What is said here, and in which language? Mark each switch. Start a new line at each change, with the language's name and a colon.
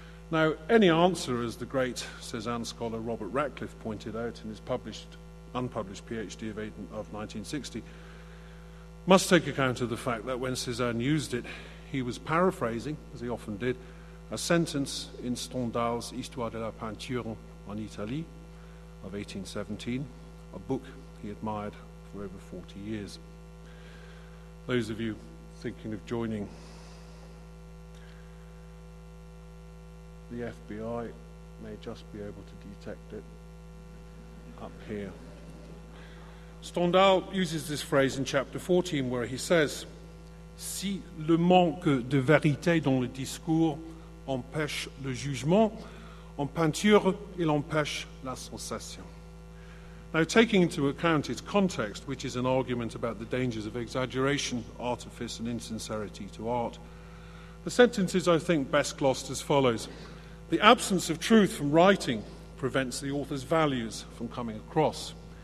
English: Now, any answer, as the great Cézanne scholar Robert Ratcliffe pointed out in his unpublished PhD of 1960, must take account of the fact that when Cézanne used it, he was paraphrasing, as he often did, a sentence in Stendhal's Histoire de la Peinture en Italie of 1817, a book he admired for over 40 years. Those of you thinking of joining the FBI may just be able to detect it up here. Stendhal uses this phrase in chapter 14, where he says,
French: si le manque de vérité dans le discours empêche le jugement, en peinture, il empêche la sensation.
English: Now, taking into account its context, which is an argument about the dangers of exaggeration, artifice, and insincerity to art, the sentence is, I think, best glossed as follows. The absence of truth from writing prevents the author's values from coming across.